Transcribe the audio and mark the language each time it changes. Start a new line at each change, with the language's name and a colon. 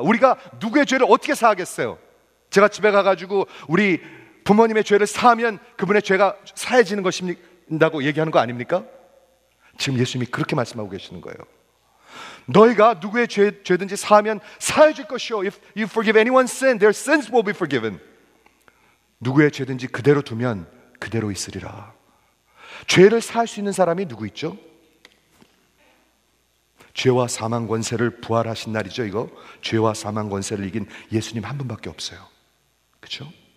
Korean: 우리가 누구의 죄를 어떻게 사하겠어요? 제가 집에 가가지고 우리 부모님의 죄를 사하면 그분의 죄가 사해지는 것인다고 얘기하는 거 아닙니까? 지금 예수님이 그렇게 말씀하고 계시는 거예요. 너희가 누구의 죄든지 사하면 사해 줄 것이요.
English: If you forgive anyone's sin, their sins will be forgiven.
Korean: 누구의 죄든지 그대로 두면 그대로 있으리라. 죄를 사할 수 있는 사람이 누구 있죠? 죄와 사망 권세를 부활하신 날이죠, 이거. 죄와 사망 권세를 이긴 예수님 한 분밖에 없어요. 그렇죠?